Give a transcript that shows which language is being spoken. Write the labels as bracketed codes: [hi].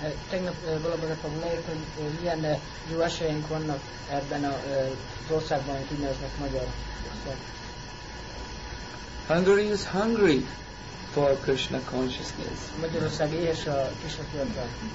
[hu] Tegnap Balabhadra Prabhu leírta, hogy milyen jó esélyünk vannak ebben az országban, amit kineveznek Magyarország. [en] Hungary is hungry for Krishna consciousness. [hu] Magyarország éhes a Krishna tudatban.